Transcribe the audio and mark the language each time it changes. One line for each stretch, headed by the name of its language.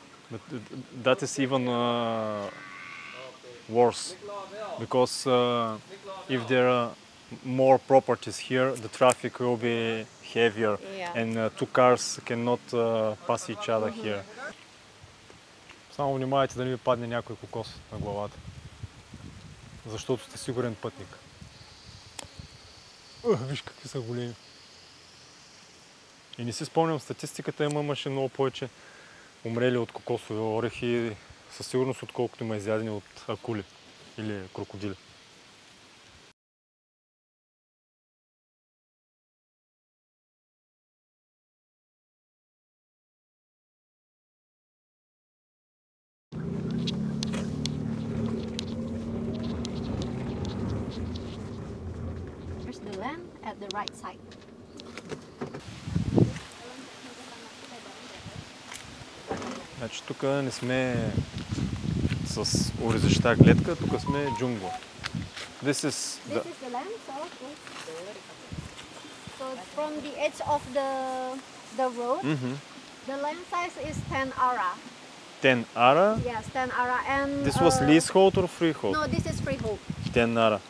English: But that is even worse, because if there are more properties here, the traffic will be heavier, yeah. And two cars cannot pass each other mm-hmm. here.
Bulgarian: Само внимавайте да не ви падне някой кокос на главата, защото сте сигурен пътник. Виж какви са големи. И не си спомням статистиката, имаше много повече умрели от кокосови орехи, със сигурност отколкото има изядени от акули или крокодили.
English: Here's the land at the right side.
Bulgarian: Значи тук не сме с оризеща гледка, тук сме джунгла.
English: This is the land, so it's from the edge of the road. Mm-hmm. The land size is 10 ara. 10 ara? Yes, 10 ara. And this was leasehold or freehold? No, this is freehold. 10 ara.